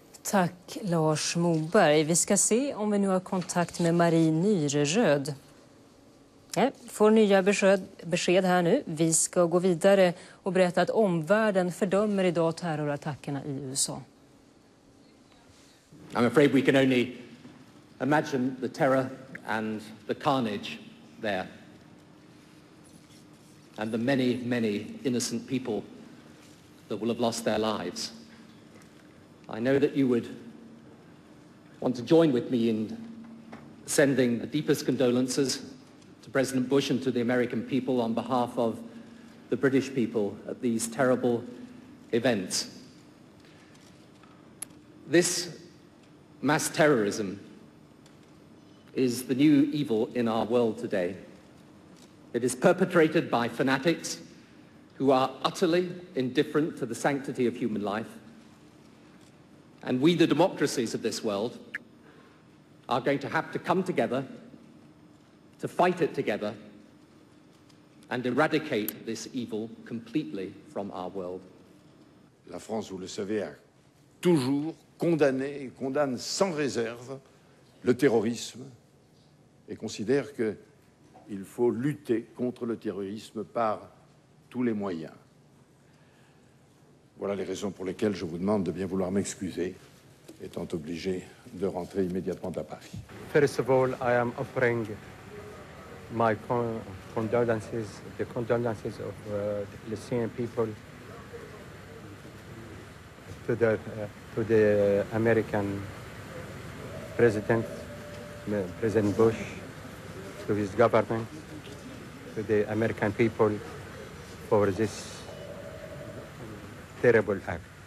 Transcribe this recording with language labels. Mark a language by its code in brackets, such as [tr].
[sv] Tack, Lars Moberg. Vi ska se om vi nu har kontakt med Marie Nyreröd. Får nya besked här nu. Vi ska gå vidare och berätta att omvärlden fördömer idag terrorattackerna i USA. [en] I'm afraid we can only imagine the terror and the carnage there. And the many, many innocent people that will have lost their lives. I know that you would want to join with me in sending the deepest condolences to President Bush and to the American people on behalf of the British people at these terrible events. This mass terrorism is the new evil in our world today. It is perpetrated by fanatics who are utterly indifferent to the sanctity of human life. And we, the democracies of this world, are going to have to come together to fight it together and eradicate this evil completely from our world. [fr] La France, vous le savez, a toujours condamné et condamne sans réserve le terrorisme et considère que il faut lutter contre le terrorisme par tous les moyens. Voilà les raisons pour lesquelles je vous demande de bien vouloir m'excuser, étant obligé de rentrer immédiatement à Paris. [en] First of all, I am offering my condolences, the condolences of the Palestinian people to the American President Bush, to his government, to the American people for this terrible act.